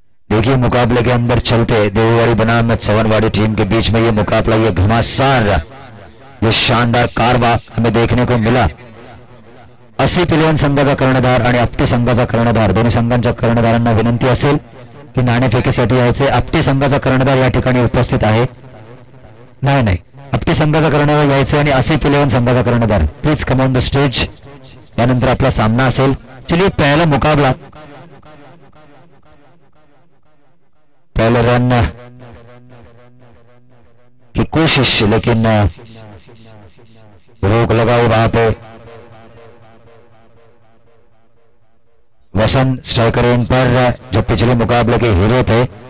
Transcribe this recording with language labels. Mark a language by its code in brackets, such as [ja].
[hi] देखिए मुकाबले के अंदर चलते देवीवाड़ी बनाम सवनवाड़ी टीम के बीच में ये मुकाबला, ये घमासान, ये शानदार कारवा हमें देखने को मिला। [mr] 80 पिलियन संघाचा कर्णधार आणि आपटी संघाचा कर्णधार, दोन्ही संघांच्या कर्णधारांना विनंती असेल की नाणेफेकीसाठी यायचे। आपटी संघाचा कर्णधार या ठिकाणी उपस्थित आहे, नाही नाही, आपटी संघाचा कर्णधार यायचे आणि 80 पिलियन संघाचा कर्णधार [en] please come on the stage, [mr] यानंतर आपला सामना असेल। [hi] चलिए पहला मुकाबला, पहला रन की कोशिश, लेकिन रोक लगा वहां पे वसन स्ट्राइकर इन पर, जो पिछले मुकाबले के हीरो थे।